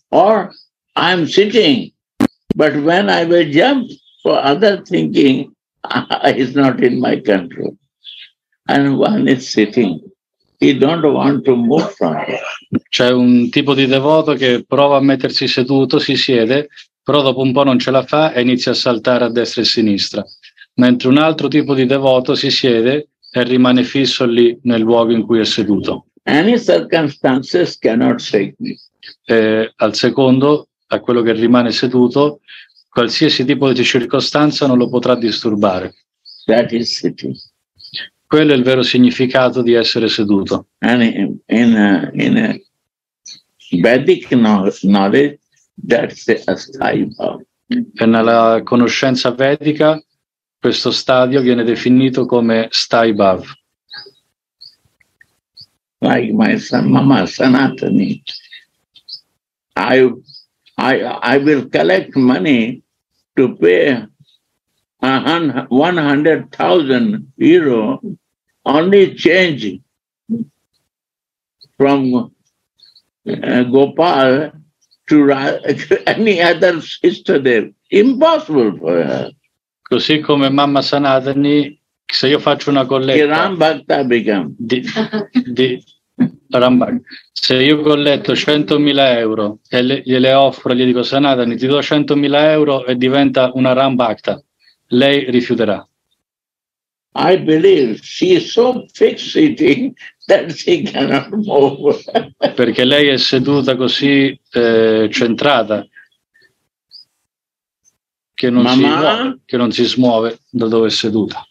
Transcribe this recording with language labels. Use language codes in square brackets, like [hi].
[en] Or I'm sitting, but when I will jump for other thinking, it's not in my control. And one is sitting. He don't want to move from it. [it] C'è un tipo di devoto che prova a mettersi seduto, si siede, però dopo un po' non ce la fa e inizia a saltare a destra e a sinistra. Mentre un altro tipo di devoto si siede e rimane fisso lì nel luogo in cui è seduto. [en] Any circumstances cannot shake me. [it] Al secondo, a quello che rimane seduto, qualsiasi tipo di circostanza non lo potrà disturbare. [en] That is sitting. [it] Quello è il vero significato di essere seduto. [en] And in a Vedic knowledge, that's the asthayi bhava. [it] E nella conoscenza vedica, questo stadio viene definito come sthayi bhava. [en] Like my son, mama Sanatani, I will collect money to pay 100,000 euro. Only change from Gopal to any other sister there. Impossible for her. [it] Così come mamma Sanatani, se io faccio una colletta. [en] Che Rambhakta become. [it] Di Rambhakta. Se io colletto 100.000 euro e gliele offro, gli dico Sanatani, ti do 100.000 euro e diventa una Rambhakta, lei rifiuterà. [en] I believe she is so fixed that she cannot move. [it] Perché lei è seduta così centrata che non, mama? Si muove, che non si smuove da dove è seduta.